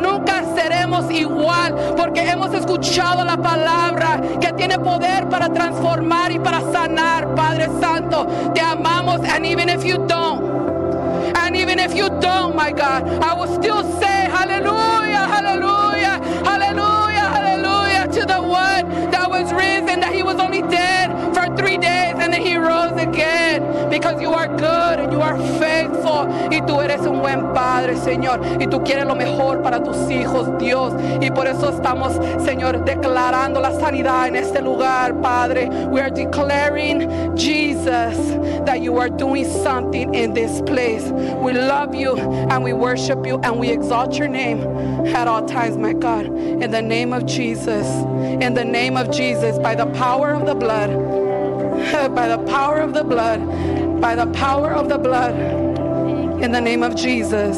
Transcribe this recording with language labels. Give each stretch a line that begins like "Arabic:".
Spanish: Nunca seremos igual, porque hemos escuchado la palabra que tiene poder para transformar y para sanar. Padre Santo, te amamos.
English: And even if you don't, my God, I will still say hallelujah, hallelujah, hallelujah, hallelujah to the one that was risen, that he was only dead for 3 days and then he rose again, because you are good and you are faithful.
Spanish: Y tú eres un buen padre, Señor, y tú quieres lo mejor para tus hijos, Dios. Y por eso estamos, Señor, declarando la sanidad en este lugar, Padre.
English: We are declaring, Jesus, that you are doing something in this place. We love you and we worship you and we exalt your name at all times, my God. In the name of Jesus, in the name of Jesus, by the power of the blood, by the power of the blood, by the power of the blood, in the name of Jesus.